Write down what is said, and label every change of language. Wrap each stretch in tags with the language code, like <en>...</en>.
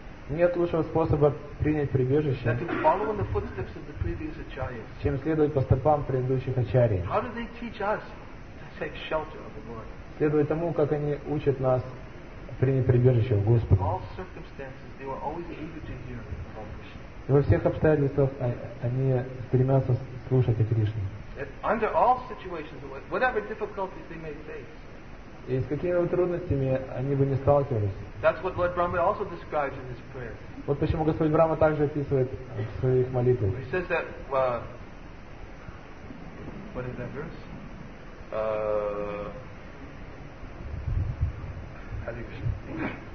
<ru>Нет лучшего способа принять прибежище,</ru> <en>than to follow in the footsteps of the previous acharyas.</en> <ru>Чем следовать по стопам предыдущих ачарий.</ru> <en>How do they teach us to take shelter of the Lord?</en> <ru>Следовать тому, как они учат нас принять прибежище у Господа.</ru> <en>All circumstances, they were always eager to hear.</en> <ru>Во всех обстоятельствах они стремятся слушать о Кришне.</ru> <en>Under all situations, whatever difficulties they may face.</en> <ru>И с какими бы трудностями они бы не сталкивались.</ru> <en>That's what Lord Brahma also describes in his prayer.</en> <ru>Вот почему Господь Брама также описывает в своих молитвах.</ru> <en>He says that what is that verse?</en>